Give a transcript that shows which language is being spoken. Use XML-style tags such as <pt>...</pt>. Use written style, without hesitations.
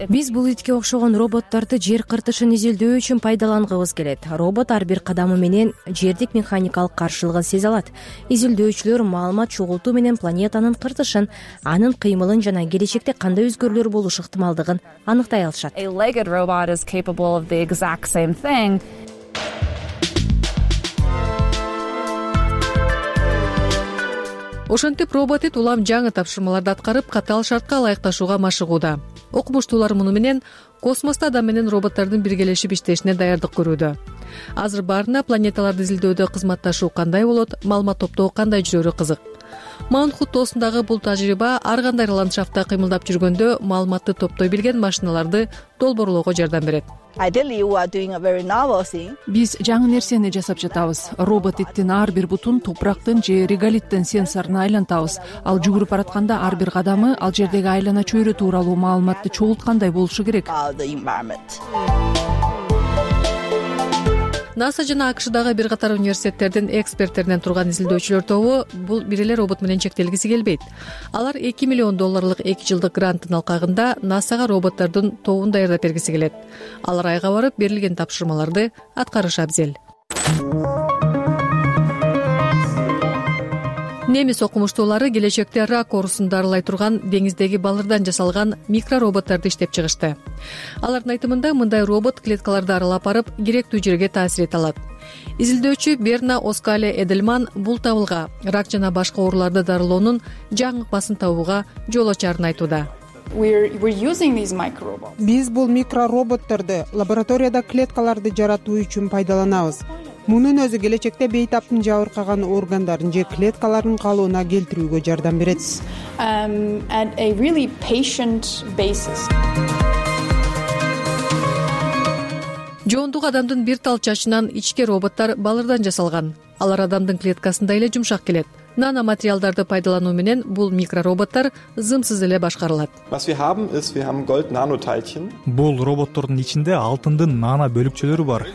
<ky>Биз бул итке окшогон роботторду жер кыртышын изилдөө үчүн пайдаланганыбыз келет. Робот ар бир кадамы менен жердик механикалык каршылыгын сезе алат. Изилдөөчүлөр маалымат чогултуу менен планетанын кыртышын, анын кыймылын жана келечекте кандай өзгөрүүлөр болушу ыктымалдыгын аныктай алышат.</ky> <en>A legged robot is capable of the exact same thing.</en> <ky>Ошентип робот эт улам жаңы тапшырмаларды аткарып, катаал шартка ылайыкташууга машыгууда. Окумуштуулар муну менен космоста адам менен роботтордун биргелешип иштешине даярдык көрүүдө. Азыр баарына планеталарды изилдөөдө кызматташуу кандай болот, маалымат топтоо кандай жүрөрү кызык. Маун хуттоосундагы бул тажрыйба ар кандай ландшафтта кыймылдап жүргөндө маалыматты топтой билген машиналарды долбоорлоого жардам берет.</ky> <en>Ideally, you are doing a very novel thing.</en> <ky>Биз жаңы нерсени жасап жатабыз. Робот иттин ар бир бутун топурактын же реголиттин сенсоруна айлантабыз. Ал жүгүрүп баратканда ар бир кадамы ал жердеги айлана чөйрө тууралуу маалыматты чогулткандай болушу керек. NASA жана АКШ-дагы бир катар университеттердин эксперттеринен турган изилдөөчүлөр тобу бул бир эле робот менен чектелгиси келбейт. Алар 2 миллион долларлык 2 жылдык гранттын алкагында NASA-га роботтордун тобун даярдап бергиси келет. Алар айга барып берилген тапшырмаларды аткарышы абзел. Немис окумуштуулары келечекте рак оорусун дарылай турган деңиздеги балырдан жасалган микророботторду иштеп чыгышты. Алардын айтымында мындай робот клеткаларды аралап барып, керектүү жерге таасир эте алат. Изилдөөчү Берна Оскале Эдельман бул табылга рак жана башка ооруларды дарылоонун жаңы ыкмасын табууга жол ачарын айтууда.</ky> <en>We're using these microrobots.</en> <ky>Биз бул микророботторду лабораторияда клеткаларды жаратуу үчүн пайдаланабыз. Мунун өзү келечекте бейтаптын жабыркаган органдарын же клеткаларын калыбына келтирүүгө жардам берет.</ky> <en>At a really patient basis.</en> <ky>Жоондук адамдын бир тал чачынан ичке роботтор балырдан жасалган. Алар адамдын клеткасындай эле жумшак келет. Нано материалдарды пайдалануу менен бул микророботтор зымсыз эле башкарылат. Бул роботтордун ичинде алтындын нано бөлүкчөлөрү бар.</ky>